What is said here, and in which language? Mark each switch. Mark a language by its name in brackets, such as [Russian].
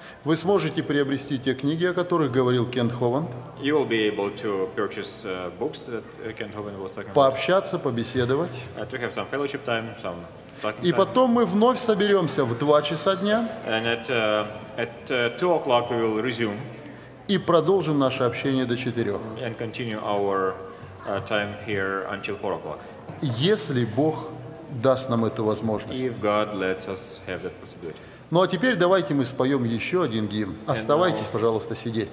[Russian] Вы сможете приобрести те книги, о которых говорил Кент Хованд. [English] You will be able to purchase books that Kent Hovind was talking about. [Russian] Пообщаться, побеседовать. [English] To have some fellowship time, some talking time. [Russian] И потом мы вновь соберемся в 2 часа дня. [English] And at 2 o'clock we will resume. [Russian] И продолжим наше общение до 4. [English] And continue our time here until 4 o'clock. [Russian] Если Бог даст нам эту возможность. [English] If God lets us have that possibility. [Russian] Ну а теперь давайте мы споем еще один гимн. Оставайтесь, now, пожалуйста, сидеть.